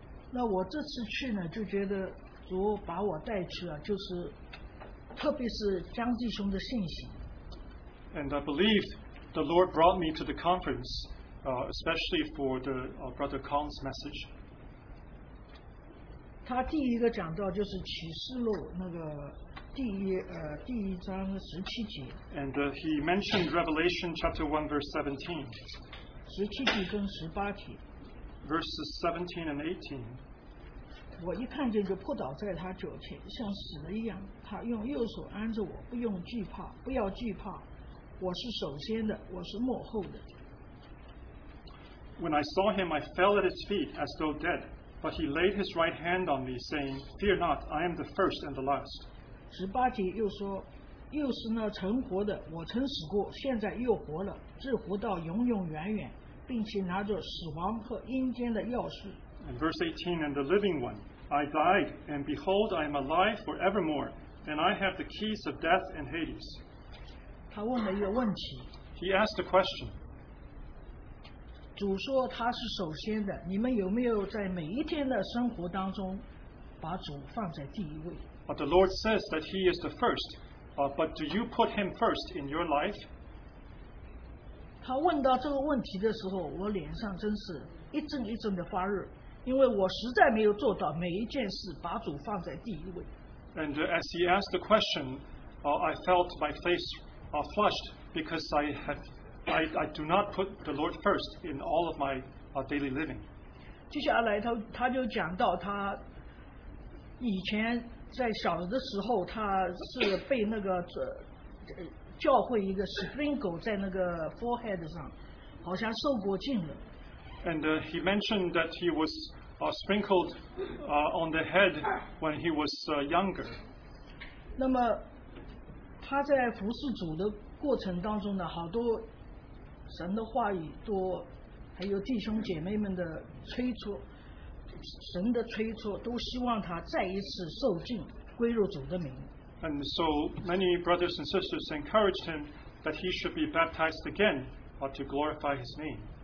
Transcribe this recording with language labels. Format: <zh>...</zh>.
<zh>那我这次去呢，就觉得主把我带去了，就是特别是江弟兄的信心。</zh> <en>And I believe the Lord brought me to the conference, especially for the Brother Kong's message.</en> <zh>他第一个讲到就是启示录那个。</zh> <en>And he mentioned Revelation chapter 1 verse 17.</en> <zh>17节跟18节</zh> <en>verses 17 and 18.</en> <zh>我一看见就扑倒在他脚前，像死了一样。他用右手按着我，不用惧怕，不要惧怕。我是首先的，我是末后的。</zh> <en>When I saw him, I fell at his feet as though dead. But he laid his right hand on me, saying, "Fear not. I am the first and the last."</en> <zh>十八节又说，又是那曾活的，我曾死过，现在又活了，至活到永永远远，并且拿着死亡和阴间的钥匙。</zh> <en>And verse 18, and the living one, I died, and behold, I am alive forevermore, and I have the keys of death and Hades.</en> <zh>他问了一个问题。</zh> <en>He asked a question.</en> <zh>主说他是首先的，你们有没有在每一天的生活当中把主放在第一位？</zh> <en>But the Lord says that He is the first. But do you put Him first in your life?</en> <zh>他问到这个问题的时候，我脸上真是一阵一阵的发热，因为我实在没有做到每一件事把主放在第一位。</zh> <en>And as He asked the question, I felt my face flushed because I do not put the Lord first in all of my daily living.</en> <zh>接下来他就讲到他以前。在小的时候，他是被那个教会一个 sprinkle 在那个 forehead 上，好像受过浸了。</zh> <en>And he mentioned that he was sprinkled on the head when he was younger.</en> <zh>那么他在服侍主的过程当中呢，好多神的话语都，还有弟兄姐妹们的催促。神的催促，都希望他再一次受浸，归入主的名。</zh> <en>And so many brothers and sisters encouraged him that he should be baptized again, to glorify his name.</en>